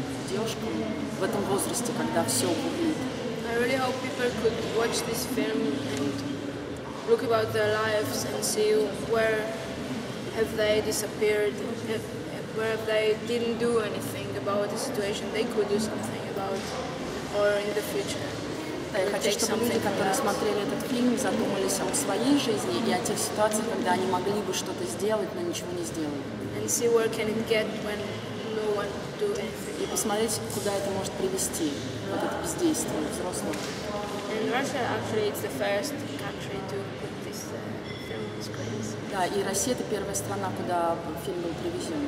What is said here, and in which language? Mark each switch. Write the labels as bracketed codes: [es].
[ru] Девушкам в этом возрасте, когда все будет. [en] I really hope people could watch this film and look about their lives and see where have they disappeared, where have they didn't do anything about the situation they could do something about or in the future. [ru] Да, я хочу, чтобы люди, которые смотрели этот фильм, задумались о своей жизни и о тех ситуациях, когда они могли бы что-то сделать, но ничего не сделали. [en] And see where can it get when no one do anything. [ru] И посмотреть, куда это может привести, вот это бездействие взрослого. [en] And Russia actually it's the first country to put this film on screens. [ru] Да, и Россия это первая страна, куда фильм был привезен.